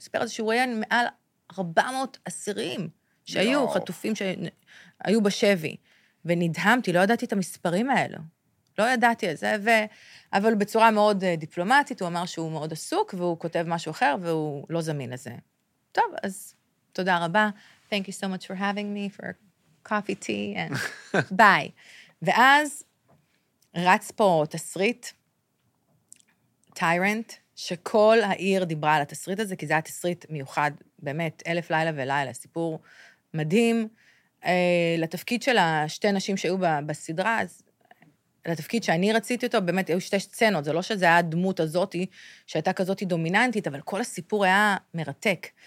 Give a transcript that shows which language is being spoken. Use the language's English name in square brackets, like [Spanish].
[Hebrew] הוא סיפר את זה שהוא ראיין מעל 400 אסירים, שהיו חטופים שהיו בשבי. ונדהמתי, לא ידעתי את המספרים האלו. לא ידעתי את זה, ו... אבל בצורה מאוד דיפלומטית, הוא אמר שהוא מאוד עסוק, והוא כותב משהו אחר, והוא לא זמין לזה. טוב, אז תודה רבה. [English] Thank you so much for having me for coffee tea and bye. [Hebrew] ואז רץ פה תסריט, טיירנט, שכל העיר דיברה על התסריט הזה, כי זה היה תסריט מיוחד, באמת, אלף לילה ולילה, סיפור מדהים. לתפקיד של השתי נשים שהיו בסדרה, אז לתפקיד שאני רציתי אותו, באמת, היו שתי סצנות, זה לא שזה היה הדמות הזאת, שהייתה כזאת דומיננטית, אבל כל הסיפור היה מרתק.